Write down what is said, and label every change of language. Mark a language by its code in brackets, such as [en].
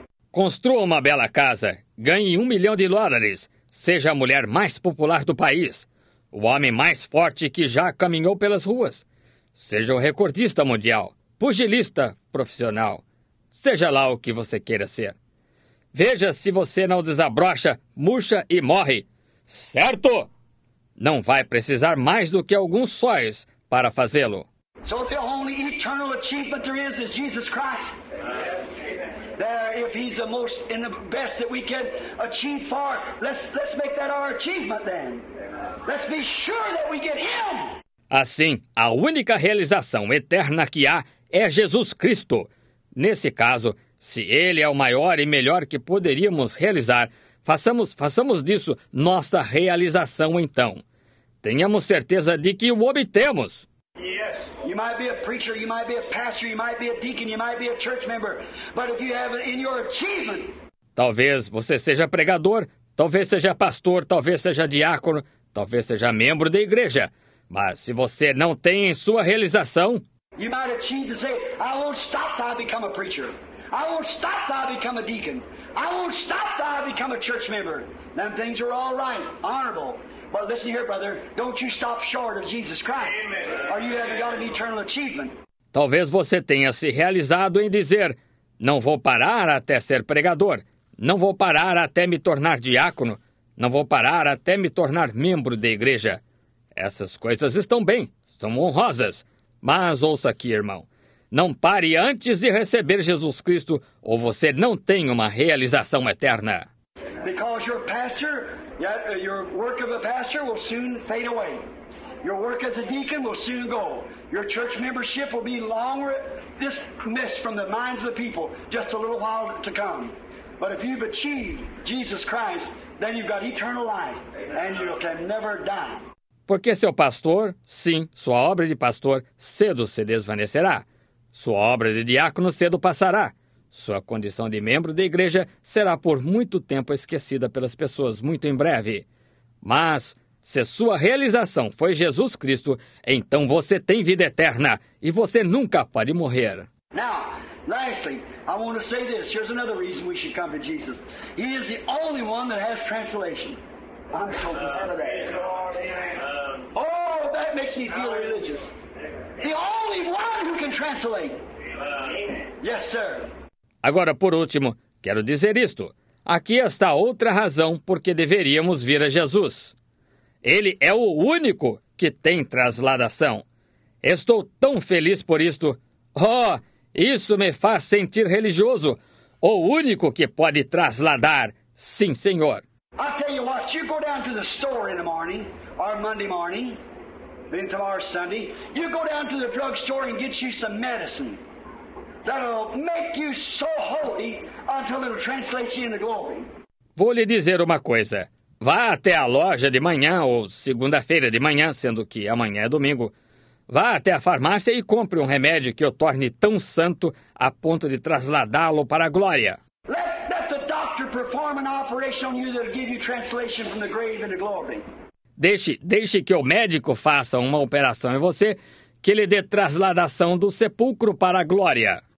[pt] Construa uma bela casa, ganhe $1 million, seja a mulher mais popular do país, o homem mais forte que já caminhou pelas ruas, seja o recordista mundial, pugilista profissional, seja lá o que você queira ser. Veja se você não desabrocha, murcha e morre, certo? Não vai precisar mais do que alguns sóis para fazê-lo. [en] So the only eternal achievement there is Jesus Christ. Amen. if he's the most and the best that we can achieve for, let's make that our achievement then. Let's be sure that we get him. [pt] Assim, a única realização eterna que há é Jesus Cristo. Nesse caso, se ele é o maior e melhor que poderíamos realizar, façamos disso nossa realização então. Tenhamos certeza de que o obtemos. [en] You might be a preacher, you might be a pastor, you might be a deacon, you might be a church member, but if you have it in your achievement. [pt] Talvez você seja pregador, talvez seja pastor, talvez seja diácono, talvez seja membro da igreja, mas se você não tem em sua realização. [en] You might achieve to say, I won't stop till I become a preacher. I won't stop till I become a deacon. I won't stop till I become a church member. Them things are all right, honorable. But listen here, brother, don't you stop short of Jesus Christ. Or you haven't got an eternal achievement. [pt] Talvez você tenha se realizado em dizer, não vou parar até ser pregador. Não vou parar até me tornar diácono. Não vou parar até me tornar membro da igreja. Essas coisas estão bem, são honrosas. Mas ouça aqui, irmão. Não pare antes de receber Jesus Cristo, ou você não tem uma realização eterna. [en] Because your pastor, your work of a pastor will soon fade away. Your work as a deacon will soon go. Your church membership will be long dismissed from the minds of the people just a little while to come. But if you've achieved Jesus Christ, then you've got eternal life and you can never die. [pt] Porque seu pastor, sim, sua obra de pastor cedo se desvanecerá. Sua obra de diácono cedo passará. Sua condição de membro da igreja será por muito tempo esquecida pelas pessoas muito em breve. Mas, se sua realização foi Jesus Cristo, então você tem vida eterna e você nunca pode morrer. [en] Now, lastly, I want to say this. Here's another reason we should come to Jesus. He is the only one that has translation. I'm so glad of that. Oh, that makes me feel religious. The only one who can translate. Yes, sir. [pt] Agora, por último, quero dizer isto. Aqui está outra razão por que deveríamos vir a Jesus. Ele é o único que tem translação. Estou tão feliz por isto. Oh, isso me faz sentir religioso. O único que pode trasladar. Sim, senhor. [en] I'll tell you what, you go down to the store in the morning, or Monday morning, then tomorrow Sunday, you go down to the drugstore and get you some medicine. That'll make you so holy until it translates you into glory. [pt] Vou lhe dizer uma coisa. Vá até a loja de manhã ou segunda-feira de manhã, sendo que amanhã é domingo. Vá até a farmácia e compre um remédio que o torne tão santo a ponto de trasladá-lo para a glória. [en] Let the doctor perform an operation on you that'll give you translation from the grave into glory. [pt] Deixe que o médico faça uma operação em você. Que lhe dê trasladação do sepulcro para a glória.